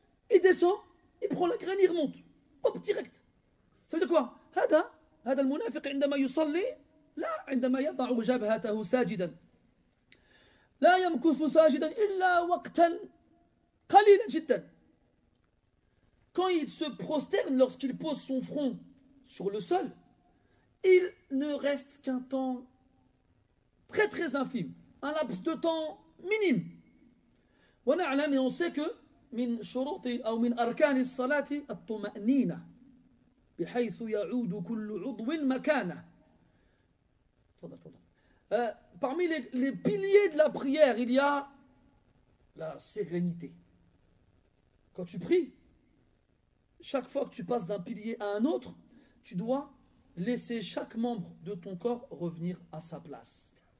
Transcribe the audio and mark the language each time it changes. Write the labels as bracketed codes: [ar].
[fr] il descend il prend la graine il remonte hop direct ça veut dire quoi [ar] هذا المنافق عندما يصلي لا عندما يضع جبهته ساجدا لا يمكث ساجدا إلا وقتا قليلا جدا. [fr] Quand il se prosterne, lorsqu'il pose son front sur le sol, il ne reste qu'un temps très très infime, un laps de temps minime. [ar] ونعلم [fr] et on sait que [ar] من شروط أو من أركان الصلاة الطمأنينة بحيث يعود كل عضو مكانه. تفضل تفضل. [fr] Parmi les piliers de la prière, il y a la sérénité. Quand tu pries, chaque fois que tu passes d'un pilier à un autre, tu dois laisser chaque membre de ton corps revenir à sa place.